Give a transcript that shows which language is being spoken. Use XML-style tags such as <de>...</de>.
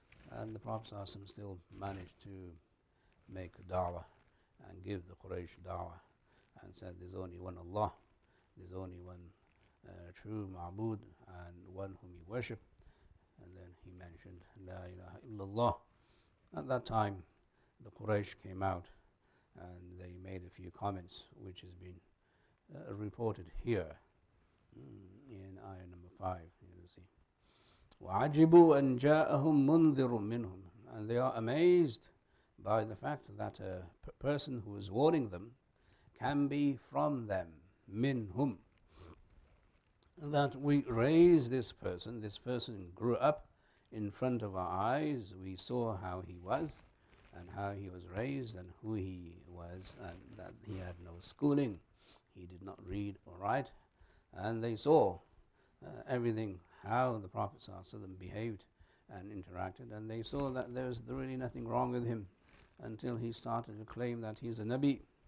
<en>And the Prophet ﷺ still managed to make da'wah and give the Quraysh da'wah and said, there's only one Allah, there's only one true Ma'bud, and one whom you worship. And then he mentioned La ilaha illallah. At that time, the Quraysh came out and they made a few comments, which has been reported here in ayah number 5. You see,</en> <ar>وَعَجِبُوا أَن جَاءَهُمْ مُنذِرٌ مِّنْهُمْ.</ar> <en>And they are amazed by the fact that a person who is warning them can be from them,</en> <ar>مِنْهُمْ.</ar> <en>That we raise this person grew up in front of our eyes, we saw how he was and how he was raised and who he was, and that he had no schooling, he did not read or write, and they saw everything, how the Prophet ﷺ behaved and interacted, and they saw that there was really nothing wrong with him until he started to claim that he's a Nabi.</en>